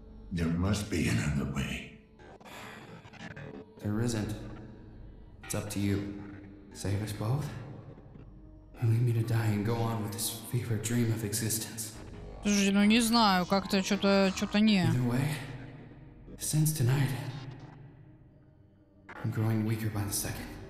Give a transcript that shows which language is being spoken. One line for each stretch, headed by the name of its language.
English: There must be another way. There isn't. It's up to you. Save us both? Or leave me to die and go on with this fever dream of existence?
Russian: Слушай, ну не знаю, как-то что-то не.
English: Either way, since tonight, I'm growing weaker by the second.